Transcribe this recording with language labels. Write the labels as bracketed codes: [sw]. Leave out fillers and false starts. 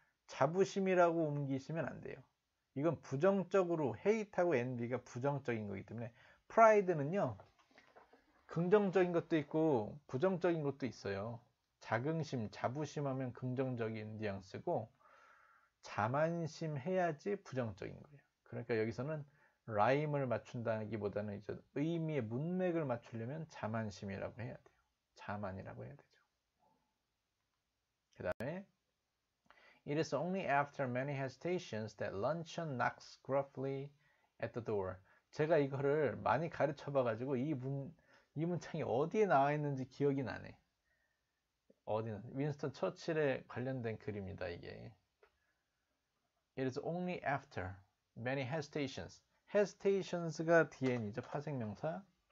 [ko] 자부심이라고 옮기시면 안 돼요. 이건 부정적으로, 헤이트하고 엔비가 부정적인 거기 때문에 프라이드는요, 긍정적인 것도 있고 부정적인 것도 있어요. 자긍심, 자부심 하면 긍정적인 뉘앙스고 자만심해야지 부정적인 거예요. 그러니까 여기서는 라임을 맞춘다기보다는 이제 의미의 문맥을 맞추려면 자만심이라고 해야 돼요. 자만이라고 해야 되죠. [en] 그 다음에 It is only after many hesitations that luncheon knocks gruffly at the door. [ko] 제가 이거를 많이 가르쳐 봐가지고 이 문장이 어디에 나와 있는지 기억이 나네. 어디는 윈스턴 처칠에 관련된 글입니다. [en] 이게 It is only after many hesitations. [ko] Hesitations가 DN이죠. 파생명사.